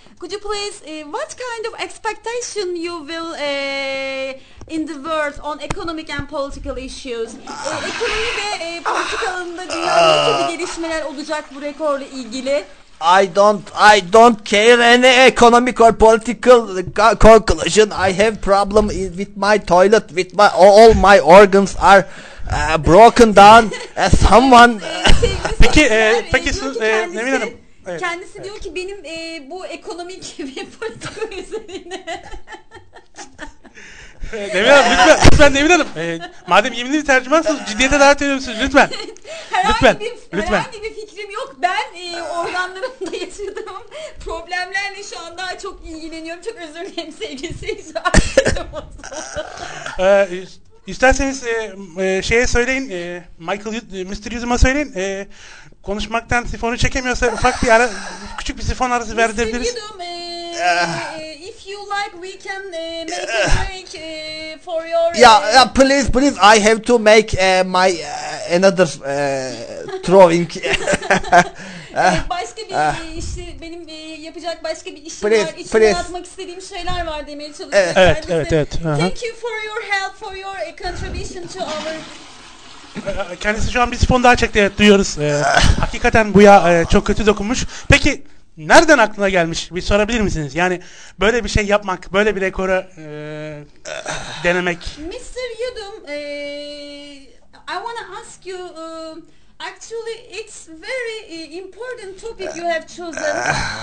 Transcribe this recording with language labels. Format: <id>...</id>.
<en>Could you please what kind of expectation you will in the world on economic and political issues?</en> <tr>Ekonomi ve politikalarında dünyada nasıl gelişmeler olacak bu rekorla ilgili?</tr> <en>I don't care any economic or political conclusion. I have problem with my toilet, with my all my organs are broken down. Someone.</en> <tr>Peki Nemin Hanım. Kendisi diyor ki benim bu ekonomik ve politik üzerine. Nemin Hanım, lütfen Nemin Hanım. Madem yeminli bir tercümansınız, ciddiyete davet ediyorsunuz, lütfen. Herhangi bir fikrim yok. Ben organlarımda yaşadığım problemlerle şu an daha çok ilgileniyorum. Çok özür dilerim sevgili seyirciler. İsterseniz şeye söyleyin, Michael, Mr. Yudum'a söyleyin. Konuşmaktan sifonu çekemiyorsa ufak bir ara, küçük bir sifon arası verebiliriz.</tr> <en>Mr. Yudum, if you like, we can make a break for your. Yeah, please. I have to make my another throwing.</en> <tr>Başka bir işi, benim yapacak başka bir işim</tr> <en>please,</en> <tr>var. İçine atmak istediğim şeyler var demeye çalışıyorum. Evet, evet, evet.</tr> <en>Thank you for your help, for your contribution to our.</en> <tr>Kendisi şu an bir sifon daha çekti, evet, duyuyoruz. Hakikaten bu ya çok kötü dokunmuş. Peki nereden aklına gelmiş, bir sorabilir misiniz? Yani böyle bir şey yapmak, böyle bir rekoru denemek.</tr> <en>Mr. Yudum, I wanna ask you, actually it's very important topic you have chosen.</en>